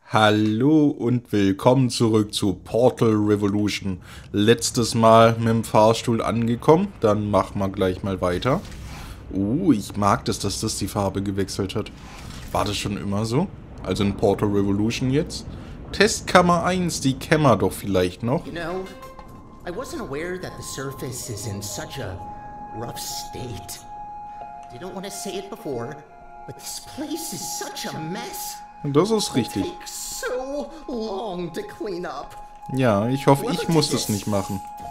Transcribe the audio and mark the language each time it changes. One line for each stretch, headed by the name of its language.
German: Hallo und willkommen zurück zu Portal Revolution. Letztes Mal mit dem Fahrstuhl angekommen, dann machen wir gleich mal weiter. Ich mag das, dass das die Farbe gewechselt hat. War das schon immer so? Also in Portal Revolution jetzt? Testkammer 1, die kennen wir doch vielleicht noch.
English: You know, I wasn't aware that the surface is in such a rough state. Didn't want to say it before, but this place is such a mess.
German: Das ist richtig.
English: So long to clean up.
German: Ja, ich hoffe, ich muss das nicht machen.